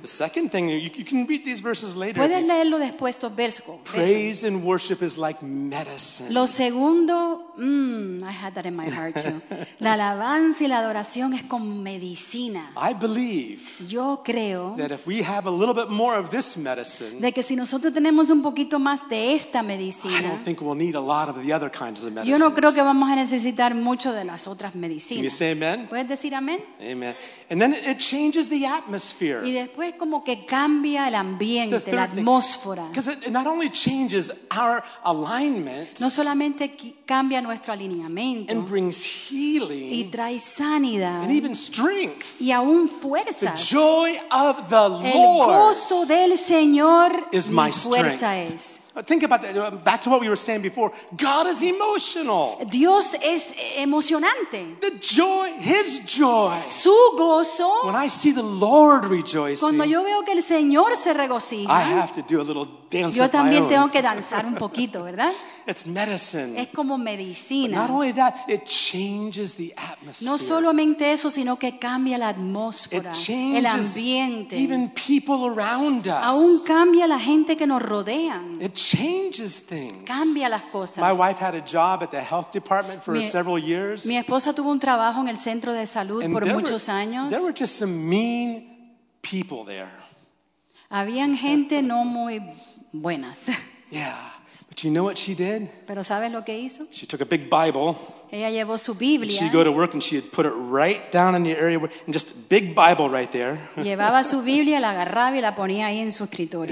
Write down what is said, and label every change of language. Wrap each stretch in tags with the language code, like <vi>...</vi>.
<en>The second thing, you can read these verses later.</en> <es>Puedes leerlo después, estos versos.</es> <en>Praise and worship is like medicine.</en> <es>Lo segundo,</es> <en>I had that in my heart too.</en> <es>La alabanza y la adoración es como medicina.</es> <en>I believe.</en> <es>Yo creo.</es> <en>That if we have a little bit more of this medicine.</en> <es>De que si nosotros tenemos un poquito más de esta medicina.</es> <en>I don't think we'll need a lot of the other kinds of medicines.</en> <es>Yo no creo que vamos a necesitar mucho de las otras medicinas.</es> <en>Can you say amen?</en> <es>¿Puedes decir amén?</es> <en>Amen. And then it changes the atmosphere.</en> <es>Y después como que cambia el ambiente,</es> <en>it's the third</en> <es>la atmósfera.</es> <en>Because it not only changes our alignment.</en> <es>No solamente cambia nuestro alineamiento.</es> <en>And brings healing.</en> <es>Y trae sanidad.</es> <en>And even strength.</en> <es>Y aún fuerzas.</es> <en>The joy of the Lord.</en> <es>El gozo del Señor</es> <en>is my</en> <es>fuerza</es> <en>strength.</en> <es>Es.</es> <en>Think about that. Back to what we were saying before. God is emotional.</en> <es>Dios es emocionante.</es> <en>The joy, His joy.</en> <es>Su gozo.</es> <en>When I see the Lord rejoicing.</en> <es>Cuando yo veo que el Señor se regocija.</es> <en>I have to do a little dance.</en> <es>Yo también tengo que danzar un poquito, ¿verdad?</es> <en>It's medicine.</en> <es>Es como medicina.</es> <en>But not only that, it changes the atmosphere.</en> <es>No solamente eso, sino que cambia la atmósfera,</es> <en>it changes</en> <es>el ambiente.</es> <en>Even people around us.</en> <es>Aún cambia la gente que nos rodea.</es> <en>It changes things.</en> <es>Cambia las cosas.</es> <en>My wife had a job at the health department for several years.</en> <es>Mi esposa tuvo un trabajo en el centro de salud por muchos años.</es> <en>There were just some mean people there.</en> <es>Habían gente no muy buenas.</es> <en>Yeah. But you know what she did?</en> <es>¿Pero sabes lo que hizo?</es> <en>She took a big Bible.</en> <es>Ella llevó su Biblia.</es> <en>She'd go to work and she'd put it right down in the area where, and just a big Bible right there.</en> <es>Llevaba su Biblia, la agarraba y la ponía ahí en su escritorio.</es>